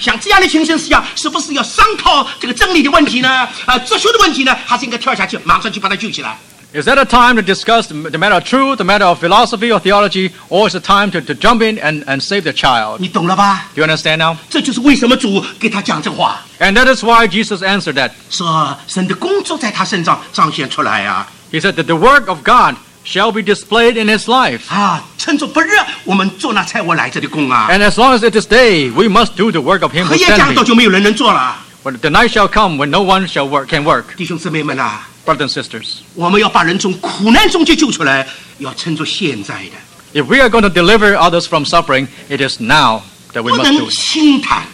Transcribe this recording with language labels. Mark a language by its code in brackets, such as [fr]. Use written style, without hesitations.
[zh] 像这样的情形是要商讨这个正义的问题呢，哲学的问题呢，还是应该跳下去，马上去把他救起来。 [en] Is that a time to discuss the matter of truth, the matter of philosophy or theology, or is it time to jump in and save the child? [zh] 你懂了吧? [en] Do you understand now? [zh] 这就是为什么主给他讲这话。 [en] And that is why Jesus answered that. [zh] 说神的工作在他身上彰显出来啊。 [en] He said that the work of God shall be displayed in his life. [zh] 啊, 趁着不热,我们做那差我来这里工啊。 [en] And as long as it is day, we must do the work of him who sent me. But the night shall come when no one shall work, can work. [zh] 弟兄姊妹们啊, [en] brothers and sisters, if we are going to deliver others from suffering, it is now that we must do it.